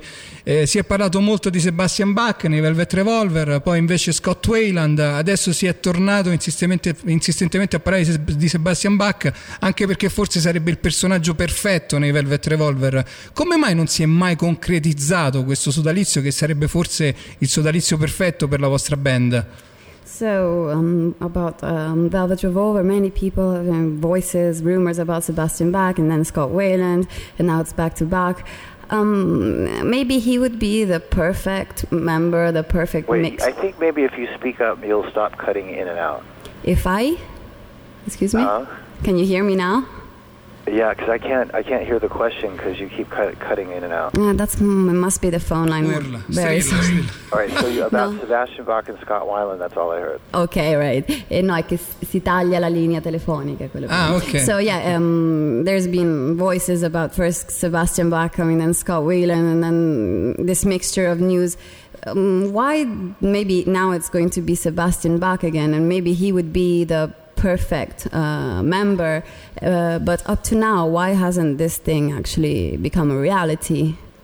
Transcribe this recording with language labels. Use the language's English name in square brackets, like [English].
[Italian] Si è parlato molto di Sebastian Bach nei Velvet Revolver, poi invece Scott Weiland, adesso si è tornato insistentemente a parlare di Sebastian Bach, anche perché forse sarebbe il personaggio perfetto nei Velvet Revolver. Come mai non si è mai concretizzato questo sodalizio che sarebbe forse il sodalizio perfetto per la vostra band? [English] So, about Velvet Revolver, many people have voices, rumors about Sebastian Bach and then Scott Weiland, and now it's back to Bach. Maybe he would be the perfect member, the perfect mix. I think maybe if you speak up, you'll stop cutting in and out. If I? Excuse me? Can you hear me now? Yeah, because I can't hear the question because you keep cutting in and out. Yeah, that's it. Must be the phone line. Very sorry. All right, so Sebastian Bach and Scott Weiland. That's all I heard. Okay, right. [Italian] E no, è che si taglia la linea telefonica. Quello. [English] Ah, okay. So yeah, there's been voices about first Sebastian Bach coming, then Scott Weiland, and then this mixture of news. Why? Maybe now it's going to be Sebastian Bach again, and maybe he would be the perfect member, but up to now, why hasn't this thing actually become a reality?